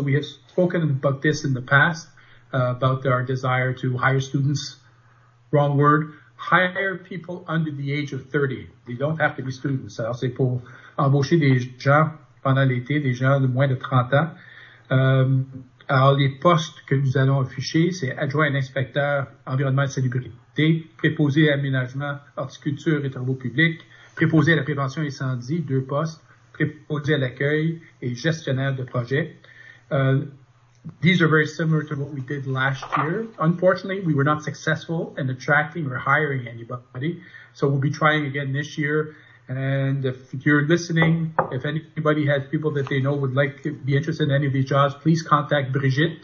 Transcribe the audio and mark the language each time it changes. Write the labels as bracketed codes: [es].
[en] So we have spoken about this in the past, about our desire to hire students. Wrong word. Hire people under the age of 30. They don't have to be students. [fr] Alors, c'est pour embaucher des gens pendant l'été, des gens de moins de 30 ans. Alors, les postes que nous allons afficher, c'est adjoint à l'inspecteur environnement et salubrité, préposé à aménagement, horticulture et travaux publics, préposé à la prévention incendie, 2 postes, préposé à l'accueil et gestionnaire de projet. [en] These are very similar to what we did last year. Unfortunately, we were not successful in attracting or hiring anybody. So we'll be trying again this year. And if you're listening, if anybody has people that they know would like to be interested in any of these jobs, please contact Brigitte.